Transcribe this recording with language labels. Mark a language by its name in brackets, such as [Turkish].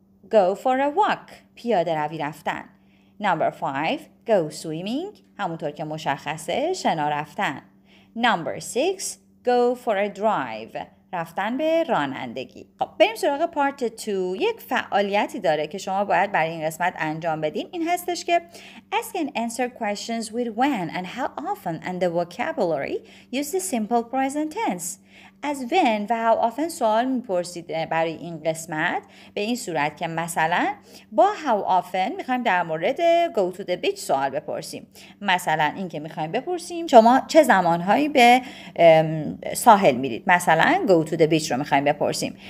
[English] Go for a walk. [Persian] پیاده روی رفتن. [English] Number five, go swimming. [Persian] همونطور که مشخصه شنا رفتن. [English] Number six, go for a drive. [Persian] رفتن به رانندگی. خب بریم سراغ پارت 2. یک فعالیتی داره که شما باید برای این قسمت انجام بدین. این هستش که [English] ask and answer questions with when and how often and the vocabulary use the simple present tense. [Persian] از when و how often سوال میپرسید برای این قسمت به این صورت که مثلا با how often میخوایم در مورد [English] go to the beach [Persian] سوال بپرسیم، مثلا این که میخوایم بپرسیم شما چه زمانهایی به ساحل میرید، مثلا go to the beach رو میخوایم بپرسیم.